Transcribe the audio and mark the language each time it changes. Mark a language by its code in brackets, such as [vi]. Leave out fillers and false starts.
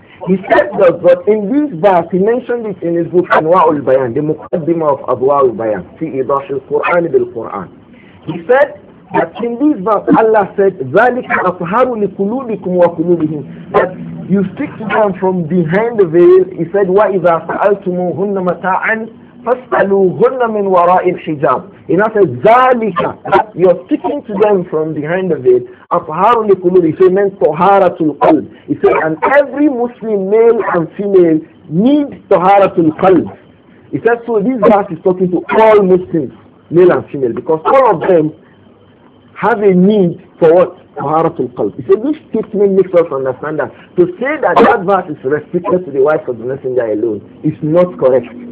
[en] He said that, but in this verse, he mentioned it in his book, Anwa'ul Bayan, the Muqaddima of Adwa'ul Bayan, Fi Idash al-Qur'an bil-Qur'an. He said that in this verse, Allah said, [ar] ذَلِكَ أَطْهَرُ لِكُلُوبِكُمْ وَكُلُوبِهِمْ. [en] That you speak to them from behind the veil. He said, [ar] وَإِذَا سَأَلْتُمُوهُنَّ مَتَاعًا فَاسْأَلُوهُنَّ مِنْ وَرَاءِ الْحِجَابِ. [en] He now said, ذَلِكَ, you're speaking to them from behind the veil. [ar] أَطْهَارُ لِكُلُوبِ, [en] he said, meant [ar] طَهَارَةُ الْقَلْبِ. [en] He said, and every Muslim male and female need [ar] طَهَارَةُ الْقَلْبِ. [en] He said, so this verse is talking to all Muslims, male and female, because all of them have a need for what? [ar] طَهَارَةُ الْقَلْبِ. [en] He said, this statement makes us understand that to say that verse is restricted to the wife of the messenger alone is not correct.